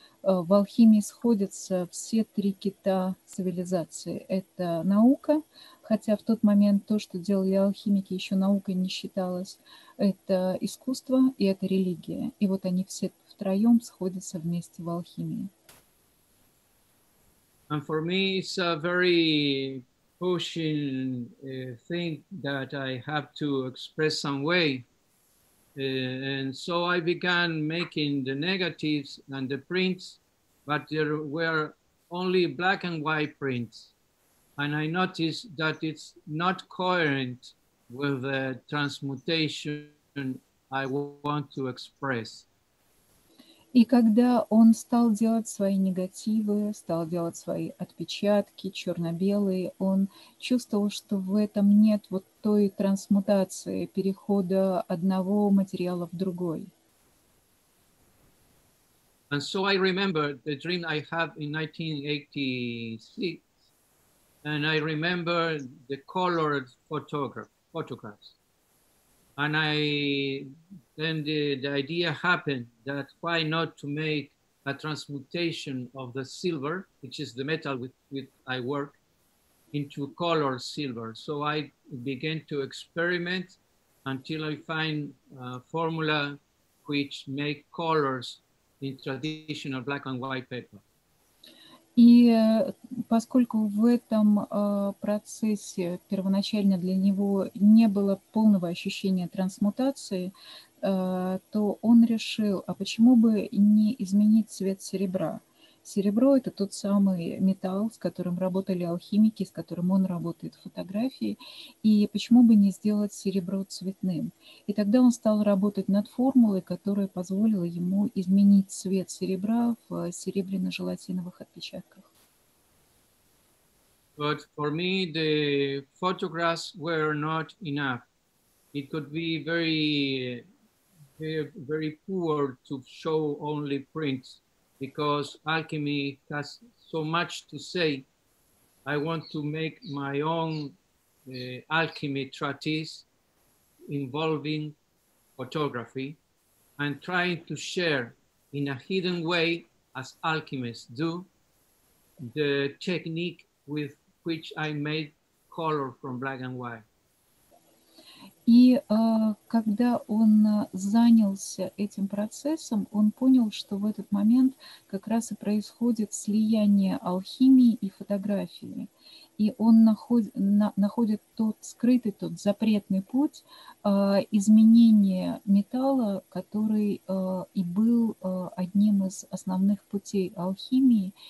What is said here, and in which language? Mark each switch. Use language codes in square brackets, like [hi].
[ru] В алхимии сходятся все три кита цивилизации. Это наука, хотя в тот момент то, что делали алхимики, еще наукой не считалось. Это искусство и это религия. И вот они все втроем сходятся вместе в алхимии. [en] And for me, it's a very pushing thing that I have to express some way. And so I began making the negatives and the prints, but there were only black and white prints. And I noticed that it's not coherent with the transmutation I want to express. [ru] И когда он стал делать свои негативы, стал делать свои отпечатки черно-белые, он чувствовал, что в этом нет вот той трансмутации, перехода одного материала в другой. [en] And so I remember the dream I had in 1986, and I remember the colored photographs. And then the idea happened that why not to make a transmutation of the silver, which is the metal with I work, into colored silver. So I began to experiment until I find a formula which make colors in traditional black and white paper. [ru] И поскольку в этом процессе первоначально для него не было полного ощущения трансмутации, то он решил, а почему бы не изменить цвет серебра? Серебро — это тот самый металл, с которым работали алхимики, с которым он работает в фотографии, и почему бы не сделать серебро цветным? И тогда он стал работать над формулой, которая позволила ему изменить цвет серебра в серебряно-желатиновых отпечатках. [en] But for me, the photographs were not enough. It could be very, very poor to show only prints. Because alchemy has so much to say, I want to make my own alchemy treatise involving photography and trying to share in a hidden way, as alchemists do, the technique with which I made color from black and white. [ru] И когда он занялся этим процессом, он понял, что в этот момент как раз и происходит слияние алхимии и фотографии. И он находит тот скрытый, тот запретный путь изменения металла, который и был одним из основных путей алхимии.